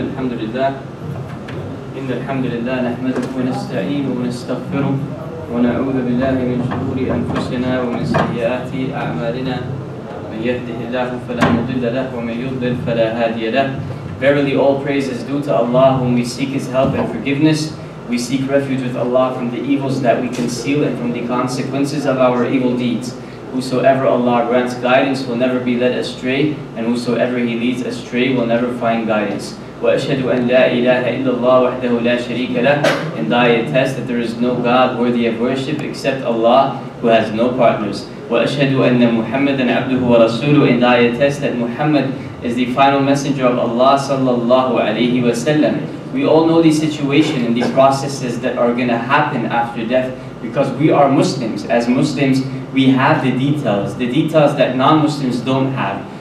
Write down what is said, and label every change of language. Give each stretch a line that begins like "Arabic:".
Arabic: الحمد لله، إن الحمد لله نحمده ونستعينه ونستغفره ونعوذ بالله من شرور أنفسنا ومن سيئات أعمالنا، من يهده الله فلا مضل له ومن يضلل فلا هادي له.
English: Verily all praise is due to Allah whom we seek His help and forgiveness. We seek refuge with Allah from the evils that we conceal and from the consequences of our evil deeds. Whosoever Allah grants guidance will never be led astray, and whosoever He leads astray will never find guidance.
Arabic: وأشهد أن لا إله إلا الله وحده لا شريك له.
English: And I attest that there is no God worthy of worship except Allah, who has no partners.
Arabic: وأشهد أن محمدًا عبده ورسوله.
English: And I attest that Muhammad is the final messenger of Allah
Arabic: صلى الله عليه وسلم.
English: We all know the situation and the processes that are going to happen after death because we are Muslims. As Muslims, we have the details that non-Muslims don't have.